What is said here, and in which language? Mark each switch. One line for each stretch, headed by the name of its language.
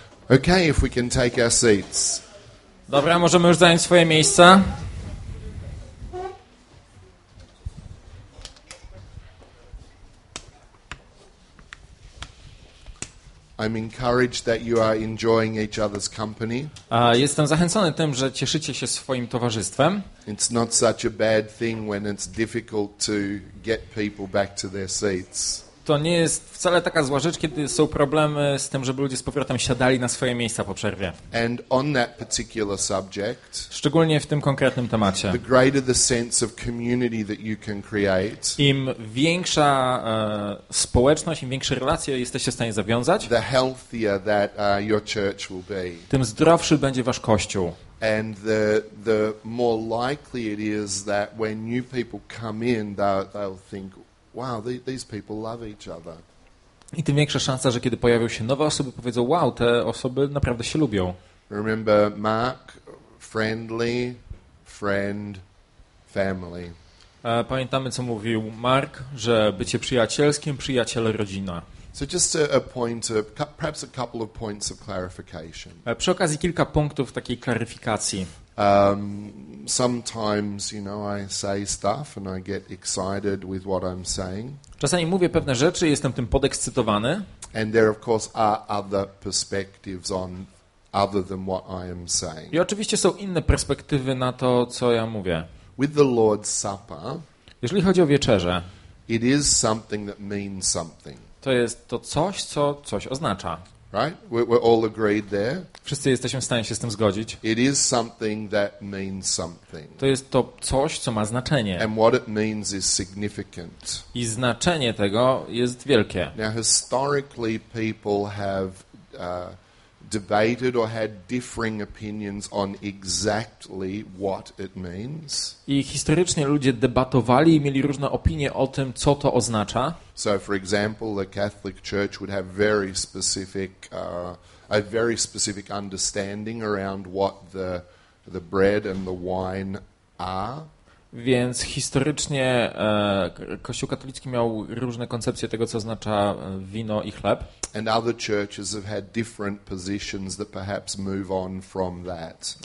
English: Okay, if we can take our seats.
Polish: Dobra, możemy już zająć swoje miejsca.
English: I'm encouraged that you are enjoying each other's company.
Polish: Jestem zachęcony tym, że cieszycie się swoim towarzystwem.
English: It's not such a bad thing when it's difficult to get people back to their seats.
Polish: to nie jest wcale taka zła rzecz, kiedy są problemy z tym, żeby ludzie z powrotem siadali na swoje miejsca po przerwie.
English: And on that particular subject,
Polish: szczególnie w tym konkretnym temacie,
English: the greater the sense of community that you can create,
Polish: im większa społeczność, im większe relacje jesteście w stanie zawiązać,
English: the healthier that, your church will be.
Polish: Tym zdrowszy będzie wasz kościół.
English: And the more likely it is that when new people come in, they'll think, wow, these people love each other.
Polish: I tym większa szansa, że kiedy pojawią się nowe osoby, powiedzą, wow, te osoby naprawdę się lubią.
English: Remember Mark, friendly, friend, family.
Polish: Pamiętamy, co mówił Mark, że bycie przyjacielskim, przyjaciel, rodzina.
English: So just a point of, perhaps a couple of points of clarification.
Polish: Przy okazji kilka punktów takiej klaryfikacji.
English: Sometimes, you know, I say stuff and I get excited with what I'm saying.
Polish: Czasami mówię pewne rzeczy i jestem tym podekscytowany.
English: And there of course are other perspectives on other than what I am saying.
Polish: I oczywiście są inne perspektywy na to, co ja mówię.
English: With the Lord's Supper.
Polish: Jeżeli chodzi o wieczerzę.
English: It is something that means something.
Polish: To jest to coś, co coś oznacza.
English: Right? We're all agreed there.
Polish: Wszyscy jesteśmy w stanie się z tym zgodzić.
English: It is something that means something.
Polish: To jest to coś, co ma znaczenie.
English: And what it means is significant.
Polish: I znaczenie tego jest wielkie.
English: Now, historically, people have debated or had differing opinions on exactly what it means.
Polish: I historycznie ludzie debatowali i mieli różne opinie o tym, co to oznacza.
English: So for example, the Catholic Church would have very specific a very specific understanding around what the bread and the wine are.
Polish: Więc historycznie Kościół katolicki miał różne koncepcje tego, co oznacza wino i chleb.
English: And other churches have had different positions that perhaps move on from that.